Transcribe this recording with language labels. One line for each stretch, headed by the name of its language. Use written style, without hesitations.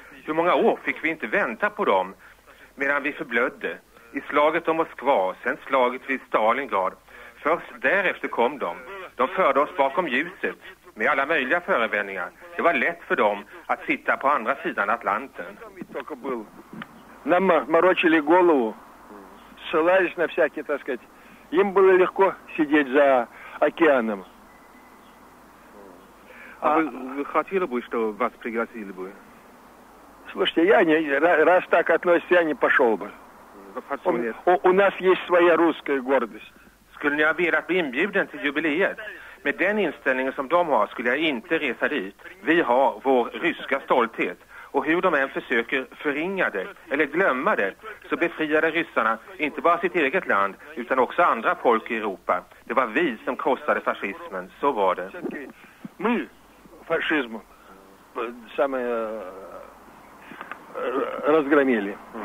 Swedish: Hur många år fick vi inte vänta på dem? Medan vi förblödde i slaget om Moskva, sen slaget vid Stalingrad. Först därefter kom de. De förde oss bakom ljuset med alla möjliga förevändningar. Det var lätt för dem att sitta på andra sidan Atlanten.
Russian: Нам морочили голову, ссылались на всякие, так сказать. Им было легко сидеть за океаном. А вы хотели бы, что вас пригласили бы? Слушайте, я не раз так относится, я не пошел бы. У нас есть своя русская гордость.
Swedish: Skulle ni ha velat bli inbjuden till jubileet? Med den inställningen som de har skulle jag inte resa dit. Vi har vår ryska stolthet. Och hur de än försöker förringa det eller glömma det, så befriade ryssarna inte bara sitt eget land utan också andra folk i Europa. Det var vi som krossade fascismen, så var det.
Russian: Мы фашизм самое разгромили.